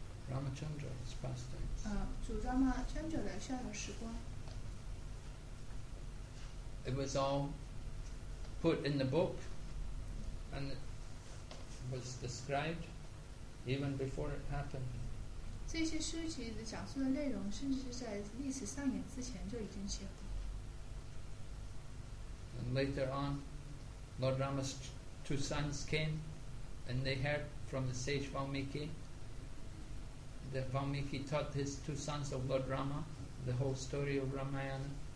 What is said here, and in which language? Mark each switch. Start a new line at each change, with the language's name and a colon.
English: Ramachandra's pastimes，
Chinese: 主Ramachandra的逍遥时光。
English: It was all put in the book and was described even before it happened.
Chinese: 这些书籍的讲述的内容， 甚至是在历史上演之前就已经写了。
English: And later on, Lord Rama's two sons came and they heard from the sage Valmiki that Valmiki taught his two sons of Lord Rama the whole story of Ramayana.